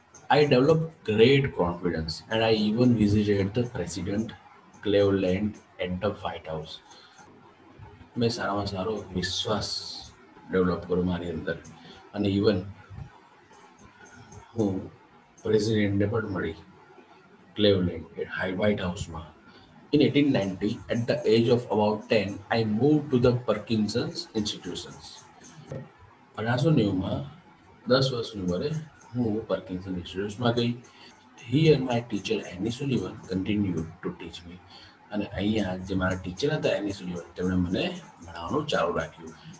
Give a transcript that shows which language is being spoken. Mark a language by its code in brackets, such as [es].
[en] I develop great confidence and I even visited the president Cleveland at the White House. [gu] મેં સારામાં સારો વિશ્વાસ develop કર્યો મારી અંદર અને ઇવન હું પ્રેસિડેન્ટને પણ મળી ક્લેવલેન્ડ વ્હાઇટ હાઉસમાં। [en] In 1890, at the age of about 10, I moved to the Parkinson's Institutions. [gu] 1890માં 10 વર્ષની ઉંમરે હું પાર્કિન્સન ઇન્સ્ટિટ્યૂટમાં ગઈ। [en] here my teacher Annie Sullivan continue to teach me, [gu] અને અહીંયા જે મારા ટીચર હતા એની સુલિવન તેમણે મને ભણાવવાનું ચાલુ રાખ્યું।